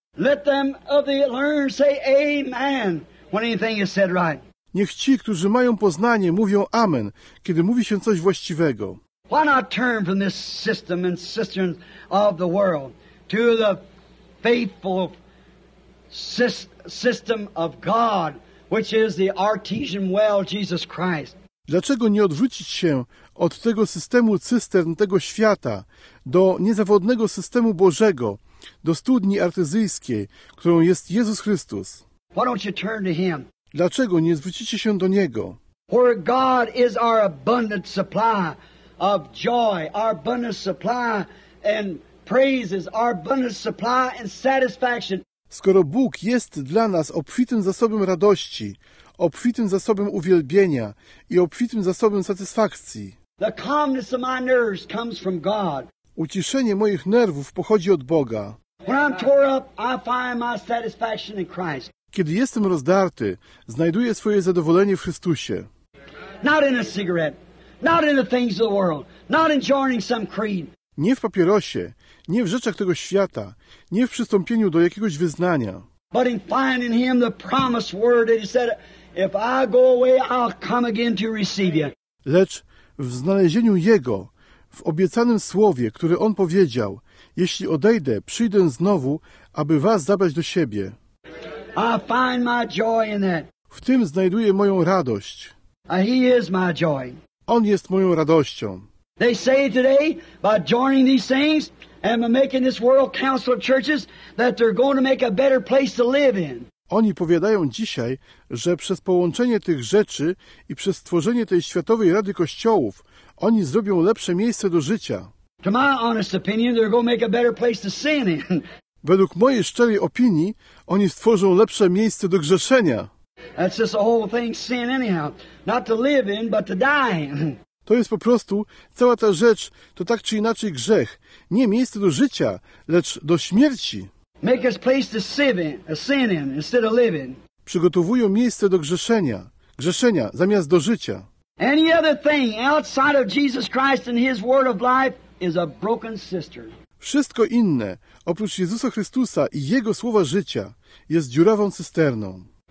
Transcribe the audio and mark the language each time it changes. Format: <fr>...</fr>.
<en>Let them of the learned say amen when anything is said right.</en> <pl>Niech ci, którzy mają poznanie, mówią amen, kiedy mówi się coś właściwego.</pl> <en>Why not turn from this system and cisterns of the world to the faithful system of God, which is the artesian well, Jesus Christ?</en> <pl>Dlaczego nie odwrócić się od tego systemu cystern tego świata do niezawodnego systemu Bożego, do studni artezyjskiej, którą jest Jezus Chrystus?</pl> <en>Why don't you turn to him?</en> <pl>Dlaczego nie zwrócicie się do Niego?</pl> <en>Where God is our abundant supply of joy, our abundant supply and praises, our abundant supply and satisfaction.</en> <pl>Skoro Bóg jest dla nas obfitym zasobem radości, obfitym zasobem uwielbienia i obfitym zasobem satysfakcji.</pl> <en>The calmness of my nerves comes from God.</en> <pl>Uciszenie moich nerwów pochodzi od Boga.</pl> <en>When I'm tore up, I find my satisfaction in Christ.</en> <pl>Kiedy jestem rozdarty, znajduję swoje zadowolenie w Chrystusie.</pl> <en>Not in a cigarette, not in the things of the world, not in joining some creed.</en> <pl>Nie w papierosie, nie w rzeczach tego świata, nie w przystąpieniu do jakiegoś wyznania.</pl> <en>But in finding him the promised word that he said, if I go away, I'll come again to receive you.</en> <pl>Lecz w znalezieniu Jego, w obiecanym słowie, które On powiedział, jeśli odejdę, przyjdę znowu, aby was zabrać do siebie.</pl> <en>I find my joy in that.</en> <pl>W tym znajduję moją radość.</pl> <en>He is my joy.</en> <pl>On jest moją radością.</pl> <en>They say today, by joining these things and making this world council of churches, that they're going to make a better place to live in.</en> <pl>Oni powiadają dzisiaj, że przez połączenie tych rzeczy i przez stworzenie tej Światowej Rady Kościołów, oni zrobią lepsze miejsce do życia.</pl> <en>To my honest opinion, they're going to make a better place to sin in.</en> <pl>Według mojej szczerej opinii, oni stworzą lepsze miejsce do grzeszenia.</pl> <en>That's just the whole thing, sin anyhow. Not to live in, but to die in.</en> <pl>To jest po prostu, cała ta rzecz, to tak czy inaczej grzech. Nie miejsce do życia, lecz do śmierci.</pl> <en>Make us place to sin in, instead of living.</en> <pl>Przygotowują miejsce do grzeszenia. Grzeszenia, zamiast do życia.</pl> <en>Any other thing outside of Jesus Christ and His word of life is a broken cistern.</en> <pl>Wszystko inne, oprócz Jezusa Chrystusa i Jego słowa życia, jest dziurawą cysterną.</pl>